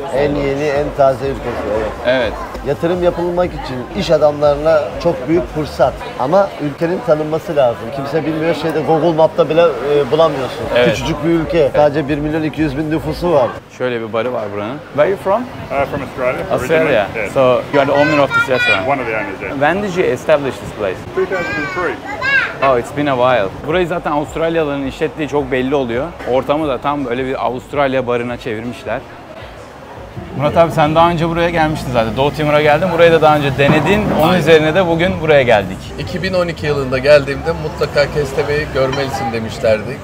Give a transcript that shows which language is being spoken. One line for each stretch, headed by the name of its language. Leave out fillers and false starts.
Turkish: En yeni, en taze ülkesi. Evet. Evet. Yatırım yapılmak için iş adamlarına çok büyük fırsat. Ama ülkenin tanınması lazım. Kimse bilmiyor, şeyde Google Map'ta bile bulamıyorsun. Evet. Küçücük bir ülke. Evet. Sadece 1 milyon 200 bin nüfusu var. Şöyle bir barı var buranın.
English: Where are you from? From Australia. Australia. Yeah. So you are the owner of this restaurant? One of the owners, yeah. When did you establish this place? 2003. Oh, it's been a while.
Turkish: Burayı zaten Avustralyalıların işlettiği çok belli oluyor. Ortamı da tam böyle bir Avustralya barına çevirmişler. Murat abi sen daha önce buraya gelmiştin zaten. Doğu Timur'a geldin. Burayı da daha önce denedin. Onun üzerine de bugün buraya geldik. 2012 yılında geldiğimde mutlaka Kestebe'yi görmelisin demişlerdi.